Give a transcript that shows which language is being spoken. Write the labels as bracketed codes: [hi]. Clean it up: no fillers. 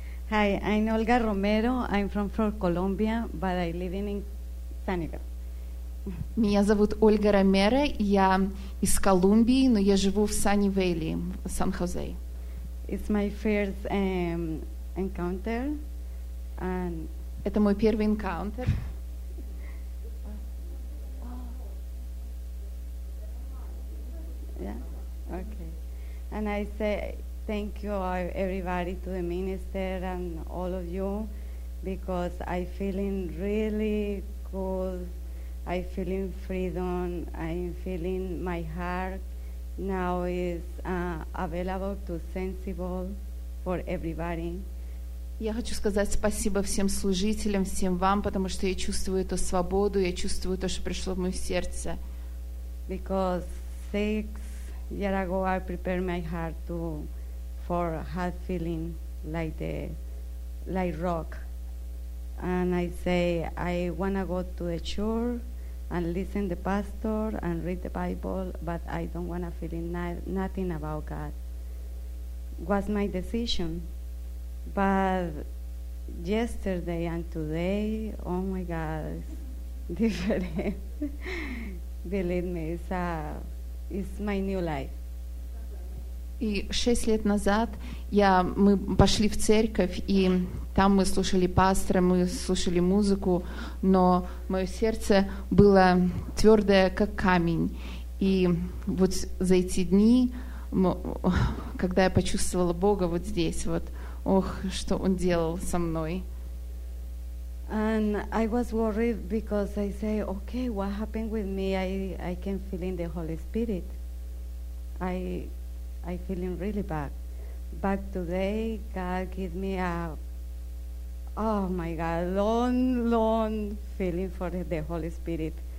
[en] Hi, I'm Olga Romero. I'm from Colombia, but I live in Sanibel. [ru] Меня зовут Ольга Ромеро, я из Колумбии, но я живу в Санивейле, Сан-Хосе. [en] It's my first encounter. And [ru] это мой первый encounter. [en] Yeah. Okay. And I say thank you everybody to the minister and all of you because I feeling really good. I feeling freedom. I feeling my heart now is available to sensible for everybody. [ru] Я хочу сказать спасибо всем служителям, всем вам, потому что я чувствую эту свободу, я чувствую то, что пришло в мое сердце. [en] Because 6 years ago I prepared my heart to for heart feeling like the like rock, and I say I wanna go to the church and listen the pastor and read the Bible, but I don't wanna feel nothing about God. Was my decision. But yesterday and today, oh my God, it's different. Believe me, it's my new life. [ru] И 6 лет назад мы пошли в церковь, и там мы слушали пастора, мы слушали музыку, но мое сердце было твердое, как камень. И вот за эти дни, когда я почувствовала Бога вот здесь, вот, ох, что он делал со мной. [en] And I was worried because I say, okay, what happened with me? I can feel in the Holy Spirit. I feeling really bad. But today God gave me a oh my God, long feeling for the Holy Spirit.